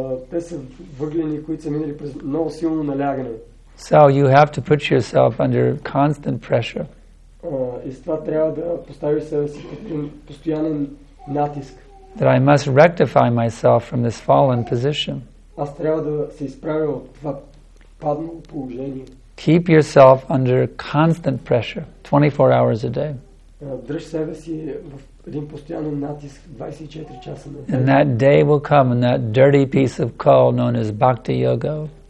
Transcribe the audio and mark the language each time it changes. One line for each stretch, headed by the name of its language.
Bulgarian: Те са въглени, които са минали през много силно налягане.
English: So you have to put yourself under constant pressure.
Bulgarian: И с това трябва да поставиш себе си под постоянен натиск.
English: That I must rectify myself from this fallen position.
Bulgarian: Аз трябва да се изправя от това падно положение.
English: Keep yourself under constant pressure, 24 hours a day.
Bulgarian: Дръж себе си в един постоянен натиск 24 часа на ден.
English: And that day will come, and that dirty piece of coal known as Bhakti Yoga.